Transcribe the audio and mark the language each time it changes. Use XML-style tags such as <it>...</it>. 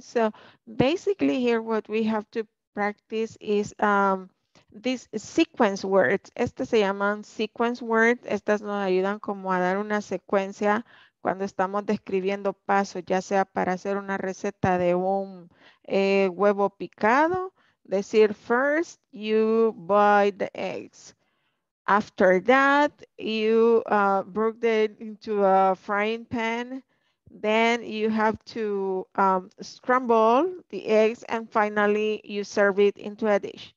<en>So basically here what we have to practice is these sequence words.</en> <es>Estas se llaman sequence words. Estas nos ayudan como a dar una secuencia cuando estamos describiendo pasos, ya sea para hacer una receta de un huevo picado.</es> <en>Decir, first you boil the eggs. After that, you broke it into a frying pan. Then you have to scramble the eggs. And finally, you serve it into a dish.</en>